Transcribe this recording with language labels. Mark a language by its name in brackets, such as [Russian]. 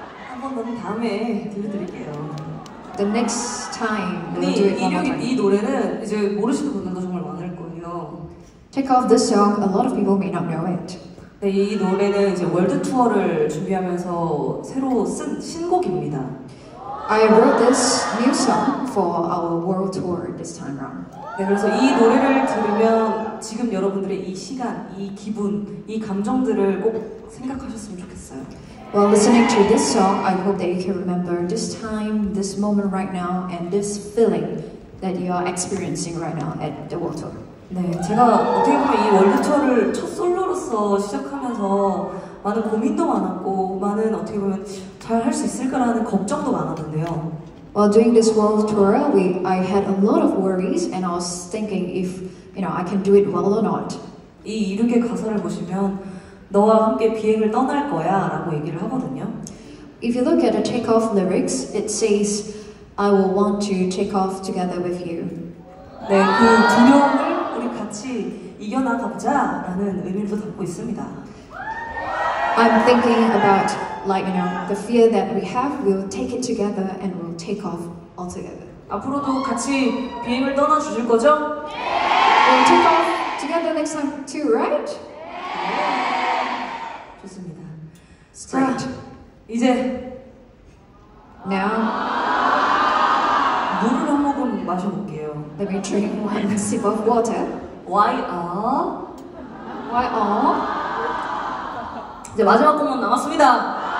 [Korean] 한번 더 다음에 들려드릴게요. [English] The next time. [Korean] 네, 이 노래는 이제 모르시는 분들도 정말 많을 거예요. [English] Take off this song, a lot of people may not know it. [Korean] 네, 이 노래는 이제 월드 투어를 준비하면서 새로 쓴 신곡입니다. [English] I wrote this new song for our world tour this time around. [Korean] 네, 그래서 이 노래를 들으면 지금 여러분들의 이 시간, 이 기분, 이 감정들을 꼭 생각하셨으면 좋겠어요. [English] Well, listening to this song, I hope that you can remember this time, this moment right now, and this feeling that you are experiencing right now at the world tour. [Korean] 네, 제가 어떻게 보면 이 월드 투어를 첫 솔로로서 시작하면서 많은 고민도 많았고 많은 어떻게 보면 잘 할 수 있을까라는 걱정도 많았는데요. [English] While doing this world tour, I had a lot of worries and I was thinking if, you know, I can do it well or not. [Korean] 이 이륙의 가사를 보시면 너와 함께 비행을 떠날 거야라고 얘기를 하거든요. [English] If you look at the takeoff lyrics, it says I will want to take off together with you. [Korean] 네, 그 두려움을 우리 같이 이겨나가보자라는 의미도 담고 있습니다. [English] I'm thinking about, like, you know, the fear that we have, we'll take it together and we'll take off altogether. [Korean] 앞으로도 같이 비행을 떠나주실 거죠? [English] Yeah! We'll take off together next time too, right? Yeah! [Korean] 좋습니다. [English] Great. [Korean] 자, 이제 [English] Now [Korean] 물을 한 모금 마셔볼게요. [English] Let me drink one sip of water. Why all? [Korean] 이제 마지막 곡만 남았습니다.